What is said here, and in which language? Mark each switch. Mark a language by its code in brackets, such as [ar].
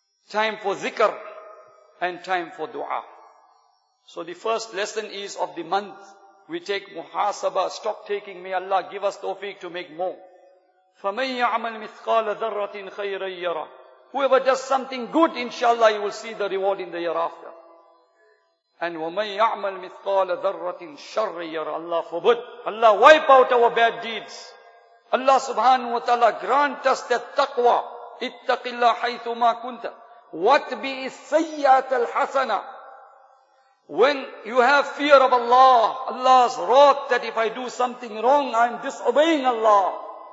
[en] Time for dhikr and time for dua. So the first lesson is of the month, we take muhasaba, stock taking. May Allah give us tawfiq to make more. [ar] فَمَنْ يَعْمَلْ مِثْقَالَ ذَرَّةٍ خَيْرًا يَرَهُ. [en] Whoever does something good, inshallah, you will see the reward in the year after. [ar] And وَمَنْ يَعْمَلْ مِثْقَالَ ذَرَّةٍ شَرًّا يَرَهُ. [en] Allah forbid. Allah wipe out our bad deeds. Allah subhanahu wa ta'ala grant us that taqwa. [ar] اتَّقِ اللَّهَ حَيْثُ مَا كُنْتَ. [en] What be is [ar] السَّيَّةَ الْحَسَنَةَ. [en] When you have fear of Allah, Allah's wrath that if I do something wrong, I'm disobeying Allah.